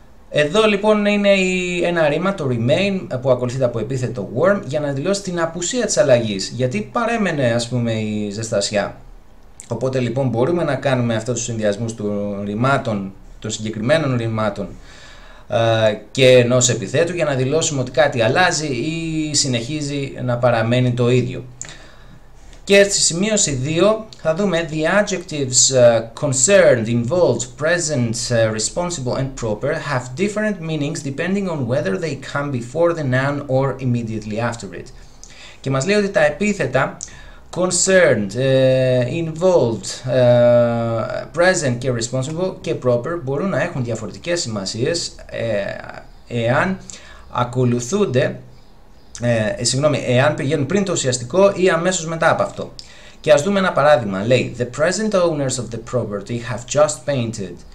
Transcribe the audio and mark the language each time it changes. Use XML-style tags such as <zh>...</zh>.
<el>Εδώ λοιπόν είναι ένα ρήμα, το remain, που ακολουθείται από επίθετο warm, για να δηλώσει την απουσία της αλλαγής, γιατί παρέμενε ας πούμε η ζεστασιά. Οπότε λοιπόν μπορούμε να κάνουμε αυτούς τους συνδυασμούς των ρημάτων, των συγκεκριμένων ρημάτων και ενός επιθέτου, για να δηλώσουμε ότι κάτι αλλάζει ή συνεχίζει να παραμένει το ίδιο. Και στη σημείωση 2 θα δούμε</el> <en>the adjectives concerned, involved, present, responsible and proper have different meanings depending on whether they come before the noun or immediately after it.</en> <el>Και μας λέει ότι τα επίθετα concerned, involved, present και responsible και proper μπορούν να έχουν διαφορετικές σημασίες εάν ακολουθούνται, εάν πηγαίνουν πριν το ουσιαστικό ή αμέσως μετά από αυτό. Και ας δούμε ένα παράδειγμα. Λέει,</el> <en>the present owners of the property have just painted.</en>